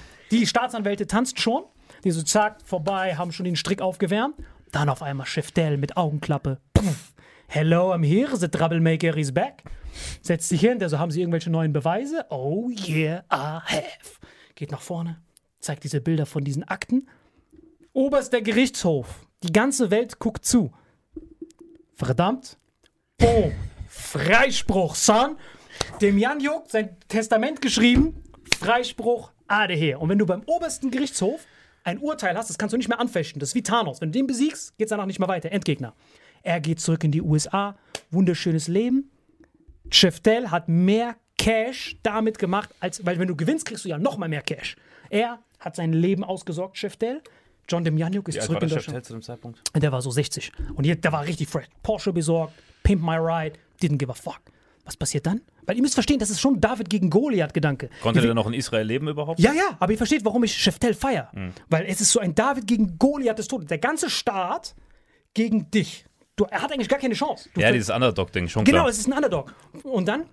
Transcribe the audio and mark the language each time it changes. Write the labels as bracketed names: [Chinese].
[German] Die Staatsanwälte tanzt schon. Die so zack, vorbei, haben schon den Strick aufgewärmt. Dann auf einmal Schäftele mit Augenklappe. [English] Hello, I'm here, the troublemaker is back. [German] Setzt sich hin, der so, haben sie irgendwelche neuen Beweise? [English] Oh yeah, I have. [German] Geht nach vorne, zeigt diese Bilder von diesen Akten. Oberster Gerichtshof, die ganze Welt guckt zu. Verdammt. Boom. Freispruch, son. Demjanjuk, sein Testament geschrieben. Freispruch, ade her. Und wenn du beim obersten Gerichtshof ein Urteil hast, das kannst du nicht mehr anfechten. Das ist wie Thanos. Wenn du den besiegst, geht's danach nicht mehr weiter. Endgegner. Er geht zurück in die USA. Wunderschönes Leben. Schäftele hat mehr Cash damit gemacht, weil wenn du gewinnst, kriegst du ja noch mal mehr Cash. Er hat sein Leben ausgesorgt, Schäftele. John Demjanjuk ist zurück in Deutschland. Wie alt war der Schäftele zu dem Zeitpunkt? Der war so 60. Und der war richtig fresh. Porsche besorgt, [English] pimp my ride, didn't give a fuck. [German] Was passiert dann? Weil ihr müsst verstehen, das ist schon David gegen Goliath-Gedanke. Konnte er denn noch in Israel leben überhaupt? Ja, ja, aber ihr versteht, warum ich Schäftele feiere. Hm. Weil es ist so ein David gegen Goliath des Todes. Der ganze Staat gegen dich. Er hat eigentlich gar keine Chance. Dieses Underdog-Ding, schon genau, Genau, es ist ein Underdog. Und dann?